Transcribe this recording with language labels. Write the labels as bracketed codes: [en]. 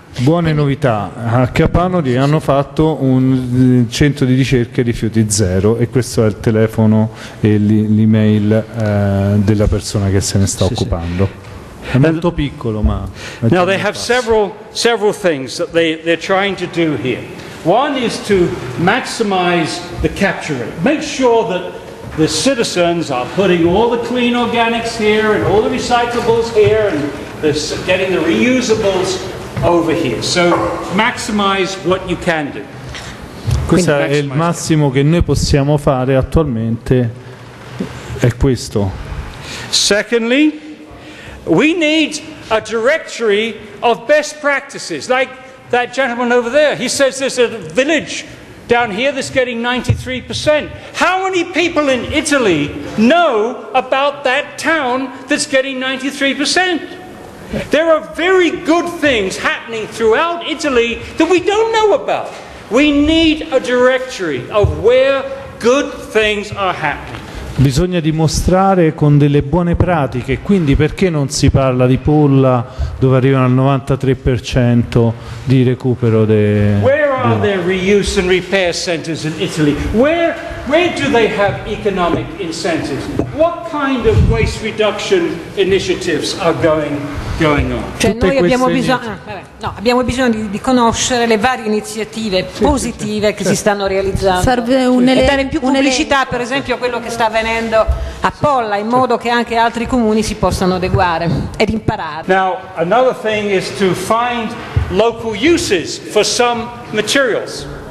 [it] Buone novità, a Kapanuri hanno fatto un centro di ricerca rifiuti zero e questo è il telefono e l'email della persona che se ne sta occupando. È molto piccolo, ma [en] now they have several things that they're trying to do here. One is to maximize the capture rate. Make sure that the citizens are putting all the clean organics here and all the recyclables here and getting the reusables over here. So maximize what you can do. [it] Questo è il massimo che noi possiamo fare attualmente, è questo. [en] Secondly, we need a directory of best practices, like that gentleman over there. He says there's a village down here that's getting 93%. How many people in Italy know about that town that's getting 93%? There are very good things happening throughout Italy that we don't know about. We need a directory of where good things are happening. [it] Bisogna dimostrare con delle buone pratiche, quindi perché non si parla di Pulla dove arrivano al 93% di recupero? [en] Where are their reuse and repair centers in Italy? Where do they have economic incentives? What kind of waste reduction initiatives are going on? [it] Cioè, noi abbiamo bisogno, abbiamo bisogno di conoscere le varie iniziative positive che si stanno realizzando. Serve e dare in più pubblicità, per esempio, a quello che sta avvenendo a Polla, in modo che anche altri comuni si possano adeguare ed imparare. [en] Now, another thing is to find local uses for some materials.